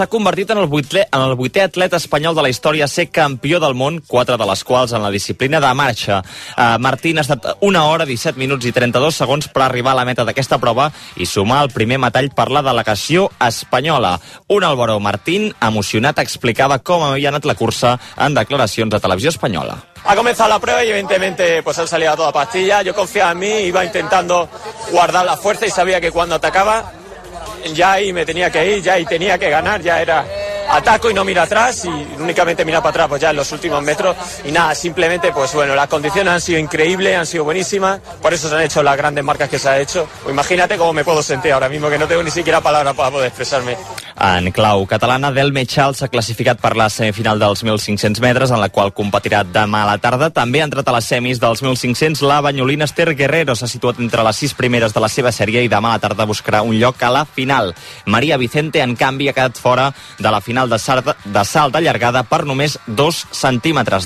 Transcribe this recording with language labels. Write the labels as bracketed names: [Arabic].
[Catalan] S'ha convertit en el vuitè atleta espanyol de la història a ser campió del món, quatre de les quals en la disciplina de marxa. Martín ha estat 1 hora, 17 minuts i 32 segons per arribar a la meta d'aquesta prova i sumar el primer metall per la de delegació espanyola. Un Álvaro Martín, emocionat, explicava com havia anat la cursa en declaracions de Televisió Espanyola. [Spanish] Ha comenzado la prueba y evidentemente pues han salido a toda pastilla. Yo confiaba en mí, iba intentando guardar la fuerza y sabía que cuando atacaba ya ahí me tenía que ir, ya ahí tenía que ganar, ya era ataco y no mira atrás y únicamente mira para atrás pues ya en los últimos metros y nada, simplemente pues bueno, las condiciones han sido increíbles, han sido buenísimas, por eso se han hecho las grandes marcas que se han hecho. Pues imagínate cómo me puedo sentir ahora mismo, que no tengo ni siquiera palabras para poder expresarme. [Catalan] En clau catalana, Delme Chal s'ha classificat per la semifinal dels 1.500 metres, en la qual competirà demà a la tarda. També ha entrat a les semis dels 1.500 la banyolina Esther Guerrero, s'ha situat entre les 6 primeres de la seva sèrie i demà a la tarda buscarà un lloc a la final. Maria Vicente, en canvi, ha quedat fora de la final de salt de llargada per només 2 centímetres.